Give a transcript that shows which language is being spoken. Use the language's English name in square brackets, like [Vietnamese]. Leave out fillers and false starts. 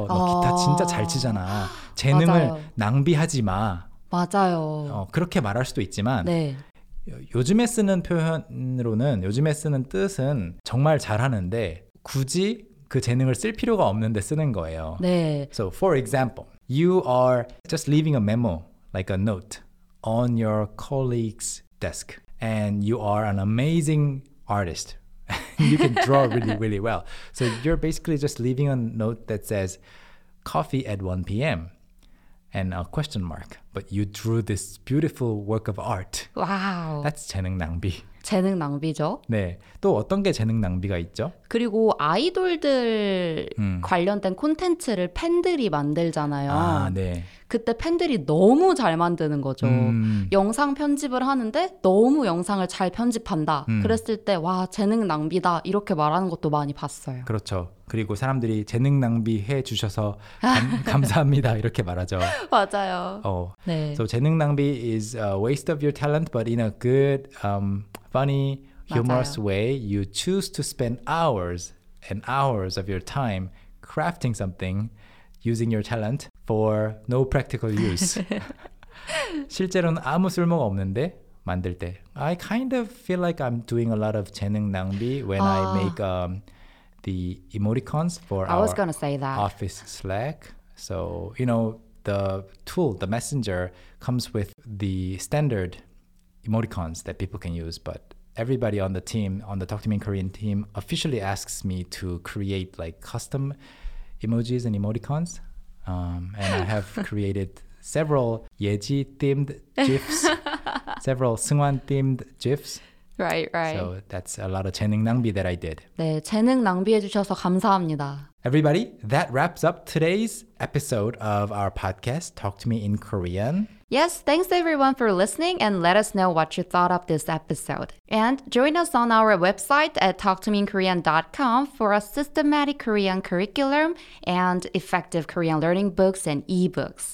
[Korean] 너 기타 진짜 잘 치잖아. 재능을 맞아요. 낭비하지 마. 맞아요. 그렇게 말할 수도 있지만 네. 요즘에 쓰는 표현으로는 요즘에 쓰는 뜻은 정말 잘하는데 굳이 그 재능을 쓸 필요가 없는데 쓰는 거예요. 네. [English] So for example, you are just leaving a memo, like a note, on your colleague's desk. And you are an amazing artist. You can draw really, really well. So you're basically just leaving a note that says, coffee at 1 p.m. and a question mark. But you drew this beautiful work of art. Wow. That's 재능 낭비. [Korean] 재능 낭비죠. 네. 또 어떤 게 재능 낭비가 있죠? 그리고 아이돌들 관련된 콘텐츠를 팬들이 만들잖아요. 아, 네. 그때 팬들이 너무 잘 만드는 거죠. 영상 편집을 하는데 너무 영상을 잘 편집한다. 그랬을 때 와, 재능 낭비다. 이렇게 말하는 것도 많이 봤어요. 그렇죠. 그리고 사람들이 재능 낭비해 주셔서 감사합니다. 이렇게 말하죠. 맞아요. 네. [English] So 재능 낭비 is a waste of your talent, but in a good, funny, humorous [Korean] 맞아요. [English] way, you choose to spend hours and hours of your time crafting something using your talent for no practical use. [Korean] 실제로는 아무 쓸모가 없는데 만들 때. [English] I kind of feel like I'm doing a lot of 재능 낭비 when I make the emoticons for our office Slack. So, you know, the tool, the messenger, comes with the standard emoticons that people can use. But everybody on the team, on the Talk to Me in Korean team, officially asks me to create like custom emojis and emoticons. And I have created several Yeji-themed GIFs, several Seungwan-themed GIFs. Right, right. So that's a lot of 재능 낭비 that I did. [Korean] 네, 재능 낭비해 주셔서 감사합니다. [English] Everybody, that wraps up today's episode of our podcast, Talk to Me in Korean. Yes, thanks everyone for listening and let us know what you thought of this episode. And join us on our website at talktomeinkorean.com for a systematic Korean curriculum and effective Korean learning books and ebooks.